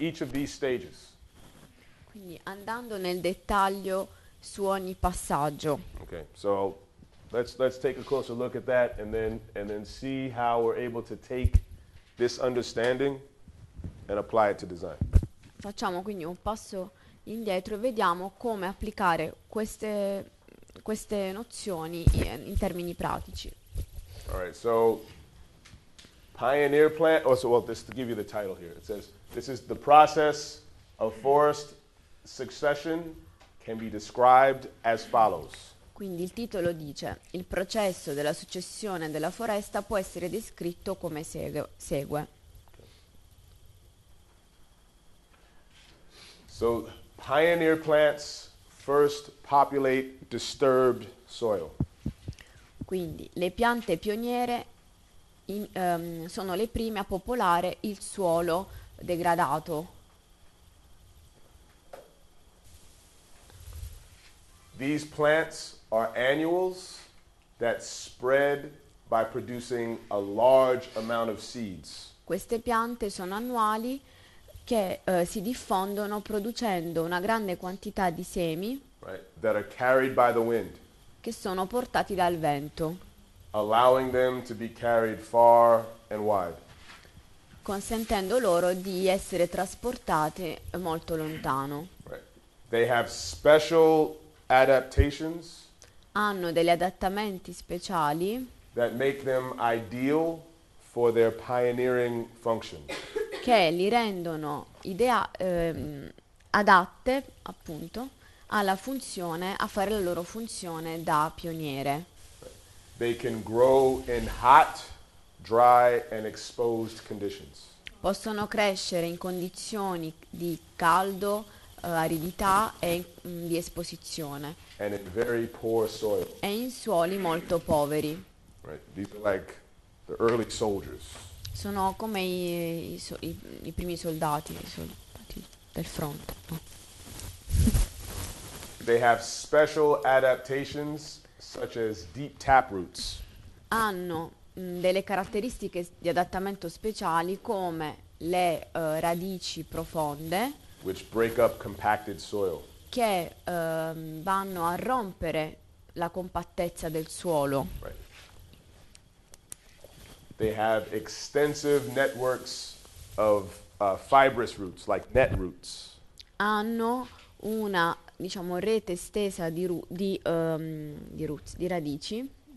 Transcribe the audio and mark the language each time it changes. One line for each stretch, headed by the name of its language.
English: Each of these stages.
Italian: Quindi andando nel dettaglio su ogni passaggio.
English: Okay. So let's take a closer look at that and then see how we're able to take this understanding and apply it to design.
Italian: Facciamo quindi un passo indietro e vediamo come applicare queste nozioni in termini pratici.
English: All right, so pioneer plant, oh, so well, just to give you the title here, it says, this is the process of forest succession can be described as follows.
Italian: Quindi il titolo dice, il processo della successione della foresta può essere descritto come segue.
English: So pioneer plants first populate disturbed soil.
Italian: Quindi le piante pioniere sono le prime a popolare il suolo degradato.
English: These plants are annuals that spread by producing a large amount of seeds.
Italian: Queste piante sono annuali che si diffondono producendo una grande quantità di semi,
English: right, that are carried by the wind,
Italian: che sono portati dal vento,
English: allowing them to be carried far and wide,
Italian: consentendo loro di essere trasportate molto lontano.
English: Right. They have special adaptations,
Italian: hanno degli adattamenti speciali
English: that make them ideal for their pioneering function.
Italian: Che li rendono idea adatte appunto alla funzione, a fare la loro funzione da pioniere.
English: They can grow in hot, dry and exposed conditions.
Italian: Possono crescere in condizioni di caldo, aridità e di esposizione.
English: And in very poor soil.
Italian: E in suoli molto poveri.
English: Right. These are like the early soldiers.
Italian: Sono come i primi soldati, del fronte.
English: They have special adaptations such as deep tap roots.
Italian: Hanno delle caratteristiche di adattamento speciali come le radici profonde,
English: which break up compacted soil,
Italian: che vanno a rompere la compattezza del suolo.
English: Right. They have extensive networks of fibrous roots, like net roots.
Italian: Hanno una, diciamo, rete estesa di roots, di radici.